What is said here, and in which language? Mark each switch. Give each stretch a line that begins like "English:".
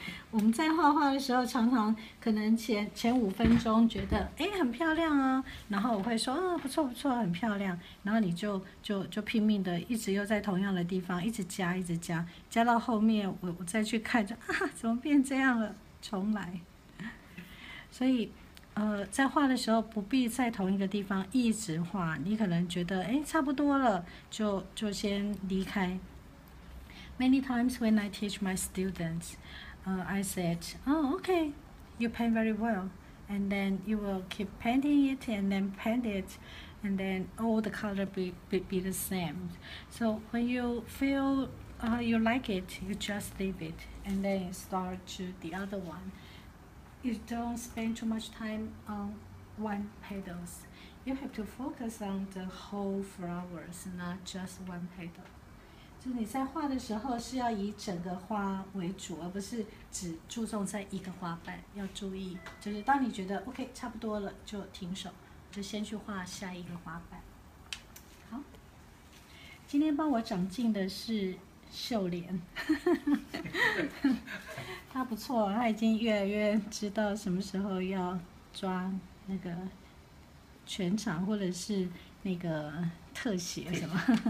Chinese: 我们在画画的时候常常可能前五分钟觉得哎很漂亮啊，然后我会说啊不错不错很漂亮，然后你就拼命的一直又在同样的地方一直加一直加，加到后面我再去看就啊怎么变这样了，重来。所以在画的时候不必在同一个地方一直画，你可能觉得哎差不多了就先离开。
English: Many times when I teach my students, I said, oh, okay, you paint very well. And then you will keep painting it and then paint it. And then all the color be the same. So when you feel you like it, you just leave it. And then start to the other one. You don't spend too much time on one petals. You have to focus on the whole flowers, not just one petal.
Chinese: 就你在画的时候是要以整个花为主，而不是只注重在一个花瓣，要注意就是当你觉得 OK 差不多了就停手，就先去画下一个花瓣。好，今天帮我长进的是秀莲，他不错，他已经越来越知道什么时候要抓那个全场或者是那个特写什么。